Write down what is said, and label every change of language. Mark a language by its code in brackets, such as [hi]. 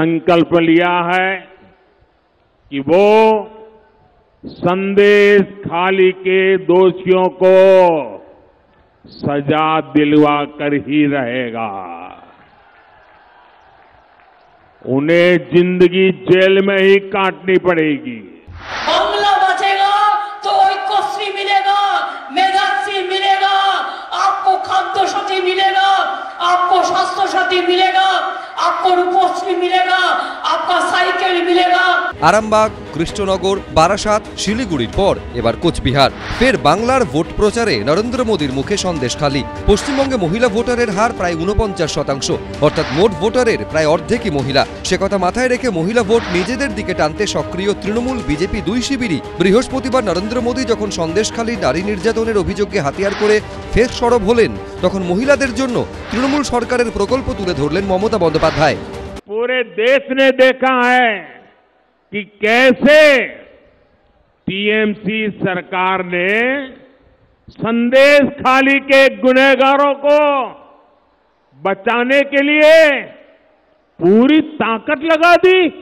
[hi] कि वो संदेश खाली के दोषियों को सजा दिलवा कर ही रहेगा, उन्हें जिंदगी जेल में ही काटनी पड़ेगी। हमला बचेगा तो ऐकोश्री मिलेगा, मेधाश्री मिलेगा, आपको खाद्य साथी मिलेगा, आपको स्वास्थ्य साथी मिलेगा, आपको रूपश्री मिलेगा, आपका साइकिल मिलेगा। [bn] আরামবাগ, কৃষ্ণনগর, বারাসাত, শিলিগুড়ির পর এবার কোচবিহার। ফের বাংলার ভোট প্রচারে নরেন্দ্র মোদীর মুখে সন্দেশ খালি। পশ্চিমবঙ্গে মহিলা ভোটারের হার প্রায় 49%, অর্থাৎ মোট ভোটারের প্রায় অর্ধেকই মহিলা। সে কথা মাথায় রেখে মহিলা ভোট নিজেদের দিকে টানতে সক্রিয় তৃণমূল বিজেপি দুই শিবিরই বৃহস্পতিবার নরেন্দ্র মোদী যখন সন্দেশ খালি নারী নির্যাতনের অভিযোগকে হাতিয়ার করে ফের সরব হলেন, তখন মহিলাদের জন্য তৃণমূল সরকারের প্রকল্প তুলে ধরলেন মমতা বন্দ্যোপাধ্যায়। [hi] कि कैसे टीएमसी सरकार ने संदेश खाली के गुनहगारों को बचाने के लिए पूरी ताकत लगा दी।